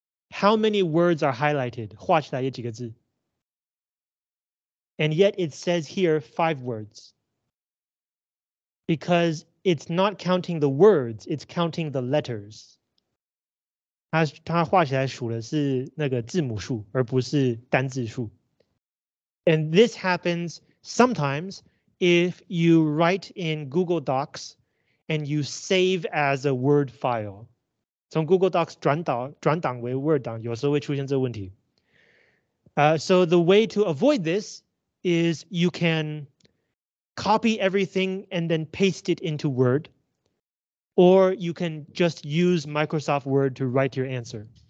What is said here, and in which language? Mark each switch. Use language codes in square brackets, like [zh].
[en] How many words are highlighted? [zh] 画出来有几个字? [en] And yet it says here 5 words. Because it's not counting the words, it's counting the letters. [zh] 它画起来数的是那个字母数，而不是单字数. [en] And this happens sometimes if you write in Google Docs and you save as a Word file. [zh] 从 Google Docs 转档为 Word 档，有时候会出现这个问题。 [en] So the way to avoid this is you can copy everything and then paste it into Word, or you can just use Microsoft Word to write your answer.